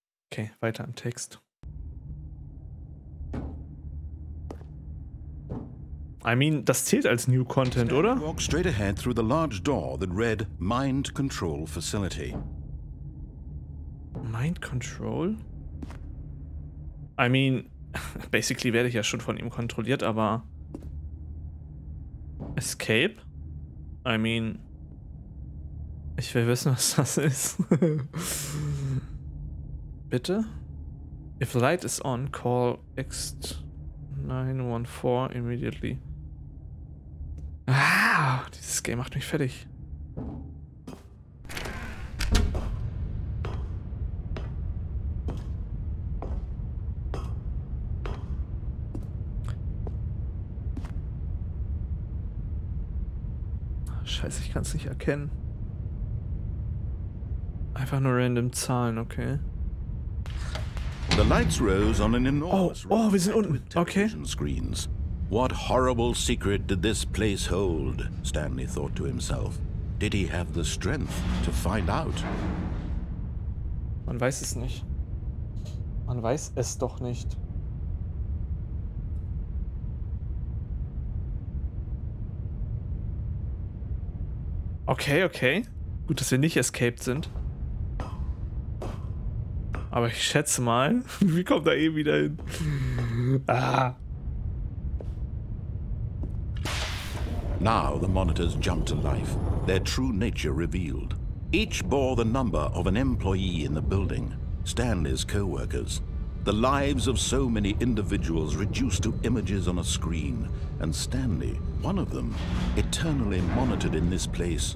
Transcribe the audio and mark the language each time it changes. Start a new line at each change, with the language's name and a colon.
German: Okay, weiter im Text.
English: I mean,
German: das zählt als New Content, oder?
English: Walk straight ahead through the large door that read Mind Control Facility. Mind Control? I mean,
German: basically werde ich ja schon von ihm kontrolliert, aber Escape?
English: I mean,
German: ich will wissen, was das ist. Bitte?
English: If light is on, call X914 immediately.
German: Ah, dieses Game macht mich fertig. Scheiße, ich kann es nicht erkennen. Einfach nur random Zahlen, okay.
English: The lights rose on an enormous
German: Oh, wir sind unten.
English: Television screens. What horrible secret did this place hold? Stanley thought to himself. Did he have the strength to find out?
German: Man weiß es nicht. Man weiß es doch nicht. Okay, okay. Gut, dass wir nicht escaped sind. Aber ich schätze mal, wie kommt da eh wieder hin? Ah.
English: Now the monitors jumped to life, their true nature revealed. Each bore the number of an employee in the building, Stanley's co-workers. The lives of so many individuals reduced to images on a screen, and Stanley, one of them, eternally monitored in this place.